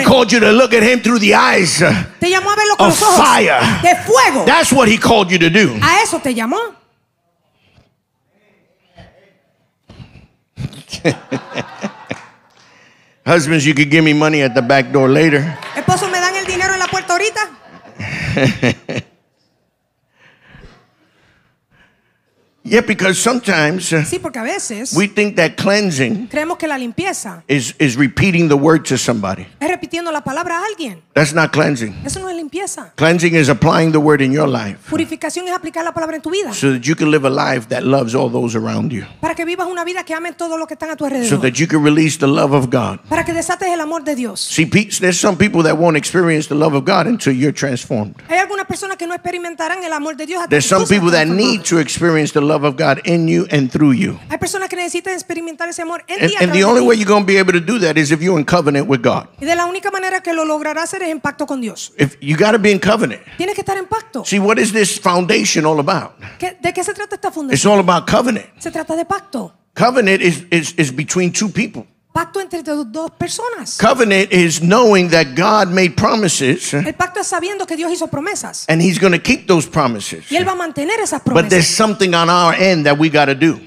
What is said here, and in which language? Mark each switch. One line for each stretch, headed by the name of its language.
English: He called you to look at him through the eyes
Spanish: te llamó a verlo con
English: of
Spanish: los ojos
English: fire.
Spanish: De fuego.
English: That's what he called you to do.
Spanish: A eso te llamó.
English: Husbands, you could give me money at the back door later.
Spanish: Esposo, me dan el dinero en la puerta ahorita.
English: Yeah, because sometimes
Spanish: sí, porque a veces
English: we think that cleansing
Spanish: creemos que la limpieza
English: is repeating the word to somebody.
Spanish: Es repitiendo la palabra a alguien.
English: That's not cleansing.
Spanish: Eso no es limpieza.
English: Cleansing is applying the word in your life.
Spanish: Purificación es aplicar la palabra en tu vida.
English: So that you can live a life that loves all those around you.
Spanish: Para que vivas una vida que amen todos los que están a tu alrededor.
English: So that you can release the love of God.
Spanish: Para que desates el amor de Dios.
English: See, there's some people that won't experience the love of God until you're transformed.
Spanish: Hay algunas personas que no experimentarán el amor de Dios hasta
English: there's some people that need to experience the love of God in you and through you.
Spanish: Hay personas que necesitan experimentar ese amor en ti.
English: And the only way you're going to be able to do that is if you're in covenant with God.
Spanish: Y de la única manera que lo lograrás es en pacto con Dios.
English: If you got to be in covenant.
Spanish: Tienes que estar en pacto.
English: See, what is this foundation all about?
Spanish: ¿De qué se trata esta fundación?
English: It's all about covenant.
Spanish: Se trata de pacto.
English: Covenant is between two people.
Spanish: Pacto entre dos personas.
English: Covenant is knowing that God made promises.
Spanish: El pacto es sabiendo que Dios hizo promesas.
English: And he's going to keep those promises.
Spanish: Y él va a mantener esas promesas.
English: But there's something on our end that we got to do.